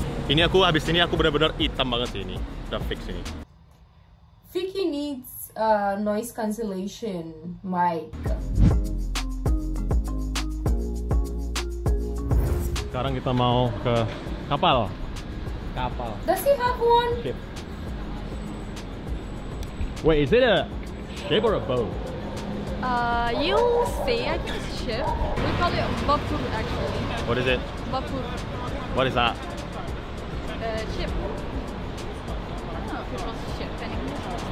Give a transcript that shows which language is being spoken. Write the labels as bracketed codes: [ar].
[id] Ini aku habis ini aku benar-benar hitam banget sih ini. Udah fix ini. [en] Fiki needs noise cancellation mic. [id] Sekarang kita mau ke kapal. Kapal. [en] Does he have one? Ship. Wait, is it a ship or a boat? You say I guess ship. We call it bapur actually. What is it? Bapur. What is that? Ship. I don't know if it was a ship in English.